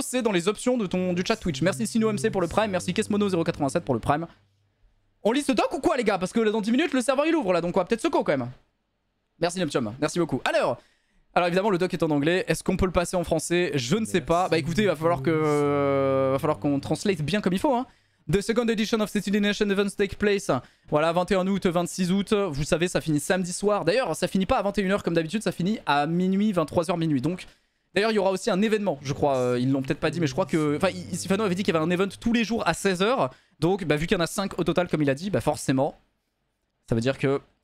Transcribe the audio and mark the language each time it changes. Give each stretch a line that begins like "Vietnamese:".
French: C'est dans les options de du chat Twitch. Merci SinoMC pour le Prime, merci Kesmono087 pour le Prime. On lit ce doc ou quoi les gars? Parce que dans 10 minutes le serveur il ouvre là, donc on va peut-être secouer quand même. Merci Neptium, merci beaucoup. Alors évidemment le doc est en anglais, est-ce qu'on peut le passer en français? Je ne sais pas. Bah écoutez, il va falloir qu'on translate bien comme il faut hein.
English: The second edition of City Nation Events take place.
French: Voilà, 21 août, 26 août. Vous savez, ça finit samedi soir. D'ailleurs, ça finit pas à 21h comme d'habitude, ça finit à minuit, 23h minuit. Donc, d'ailleurs, il y aura aussi un événement, je crois. Ils l'ont peut-être pas dit, mais je crois que... Enfin, Sifano avait dit qu'il y avait un event tous les jours à 16h. Donc, bah, vu qu'il y en a 5 au total, comme il a dit, bah forcément, ça veut dire que...